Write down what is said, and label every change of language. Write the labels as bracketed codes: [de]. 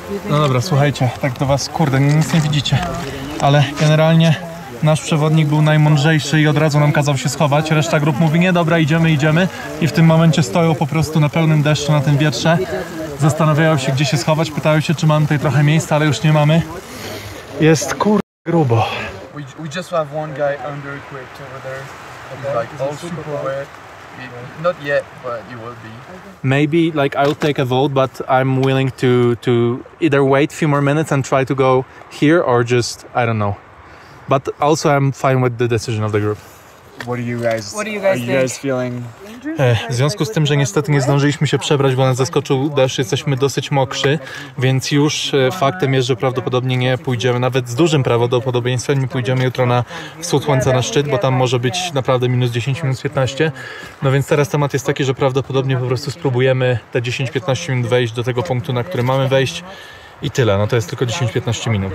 [pl] No dobra, słuchajcie, tak do was, kurde, nic nie widzicie. Ale generalnie nasz przewodnik był najmądrzejszy i od razu nam kazał się schować. Reszta grup mówi, nie, dobra, idziemy, idziemy. I w tym momencie stoją po prostu na pełnym deszczu, na tym wietrze. Zastanawiałem się, gdzie się schować, pytałem się, czy mamy tutaj trochę miejsca, ale już nie mamy. Jest kurde grubo. [en] We just have one guy under equipped over there. He's like all super wet. Not yet, but he will be. Maybe like I'll take a vote, but I'm willing to either wait a few more minutes and try to go here or just I don't know. But also I'm fine with the decision of the group. What do you guys feeling? [pl] W związku z tym, że niestety nie zdążyliśmy się przebrać, bo nas zaskoczył deszcz, jesteśmy dosyć mokrzy, więc już faktem jest, że prawdopodobnie nie pójdziemy, nawet z dużym prawdopodobieństwem nie pójdziemy jutro na wschód słońca na szczyt, bo tam może być naprawdę minus 10, minus 15. No więc teraz temat jest taki, że prawdopodobnie po prostu spróbujemy te 10-15 minut wejść do tego punktu, na który mamy wejść i tyle, no to jest tylko 10-15 minut.